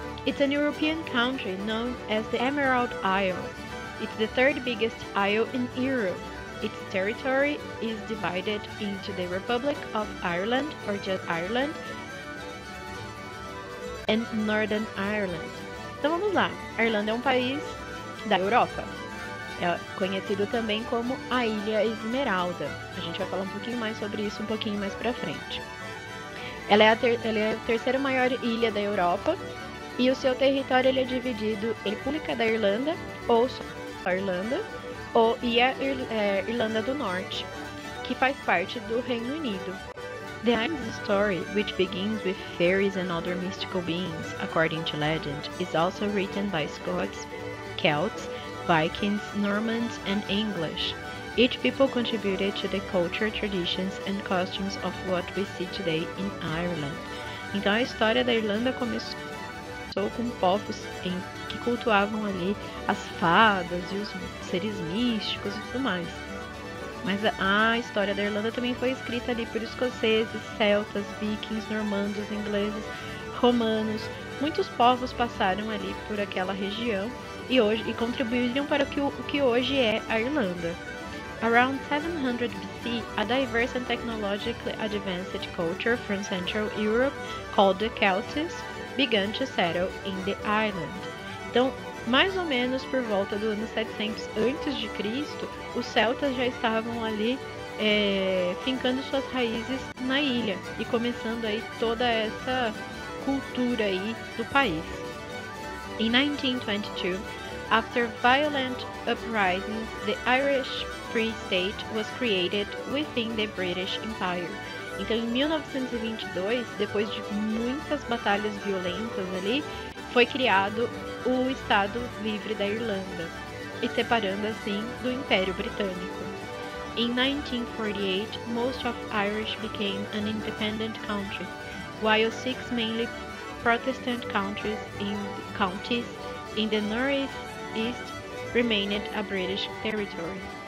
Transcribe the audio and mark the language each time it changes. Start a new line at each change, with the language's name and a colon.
English: It's an European country known as the Emerald Isle. It's the third biggest isle in Europe. Its territory is divided into the Republic of Ireland, or just Ireland, and Northern Ireland.
Portuguese: Então vamos lá, a Irlanda é um país da Europa, é conhecido também como a Ilha Esmeralda. A gente vai falar um pouquinho mais sobre isso um pouquinho mais pra frente. Ela é a terceira maior ilha da Europa, e o seu território ele é dividido em República da Irlanda, ou só a Irlanda, e a Irlanda do Norte, que faz parte do Reino Unido.
English: The Irish story, which begins with fairies and other mystical beings, according to legend, is also written by Scots, Celts, Vikings, Normans and English. Each people contributed to the culture, traditions and customs of what we see today in Ireland.
Portuguese: Então a história da Irlanda começou com povos que cultuavam ali as fadas e os seres místicos e tudo mais. Mas a história da Irlanda também foi escrita ali por escoceses, celtas, vikings, normandos, ingleses, romanos. Muitos povos passaram ali por aquela região e contribuíram para o que hoje é a Irlanda.
English: Around 700 BC, a diverse and technologically advanced culture from Central Europe, called the Celts, began to settle in the island.
Portuguese: Então, mais ou menos por volta do ano 700 a.C., os celtas já estavam ali fincando suas raízes na ilha e começando aí toda essa cultura aí do país.
English: In 1922, after violent uprisings, the Irish Free State was created within the British Empire.
Portuguese: Então, em 1922, depois de muitas batalhas violentas ali, foi criado o Estado Livre da Irlanda, e separando assim do Império Britânico.
English: In 1948, most of Irish became an independent country, while 6 mainly Protestant counties in the northeast remained a British territory.